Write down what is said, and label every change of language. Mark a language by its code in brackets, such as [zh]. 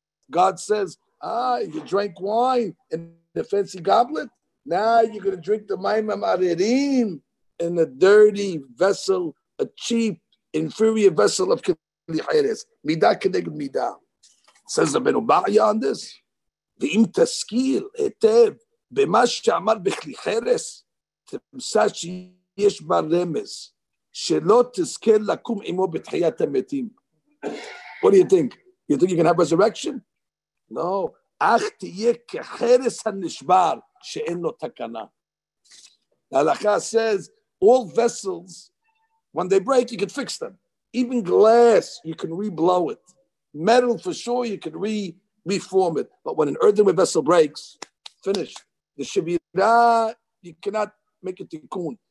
[en] God says, you drank wine in the fancy goblet? Now you're going to drink the Mayim HaMaririm in a dirty vessel, a cheap, inferior vessel of Kili Hayres. [he] Midah keneged midah. [en] Says the Benu Ba'ya on this. [he] V'im taskil etev. במה שאמר בכלי חרס, תמסה שיש בה רמז, שלא תזכה לקום עמו בתחיית המתים. [en] What do you think? You think you can have resurrection? No. [he] אך תהיה כחרס הנשבר שאין לו תקנה. [en] ההלכה says, all vessels, when they break, you can fix them. Even glass, you can re-blow it. Metal, for sure, you can reform it. But when an earthenware vessel breaks, finished. The Shevira, you cannot make a tikkun.